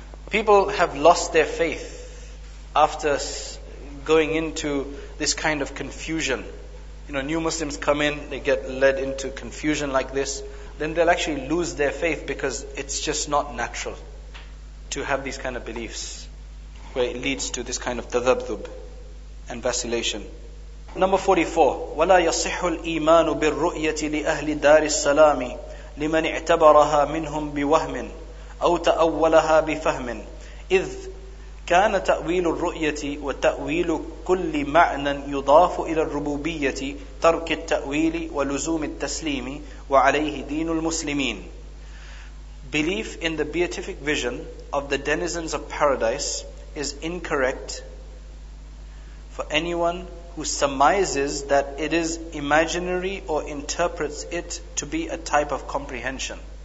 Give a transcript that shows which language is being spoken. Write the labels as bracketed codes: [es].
[en] People have lost their faith after going into this kind of confusion. You know, new Muslims come in, they get led into confusion like this. Then they'll actually lose their faith because it's just not natural to have these kind of beliefs where it leads to this kind of tadabdub and vacillation. Number 44, [ar] وَلَا يَصِحُّ الْإِيمَانُ بِالرُّؤْيَةِ لِأَهْلِ دَارِ السَّلَامِ لِمَنِ اعْتَبَرَهَا مِنْهُمْ بِوَهْمٍ أو تأولها بفهم إذ كان تأويل الرؤية وتأويل كل معنى يضاف إلى الربوبية ترك التأويل ولزوم التسليم وعليه دين المسلمين. [en] Belief in the beatific vision of the denizens of paradise is incorrect for anyone who surmises that it is imaginary or interprets it to be a type of comprehension.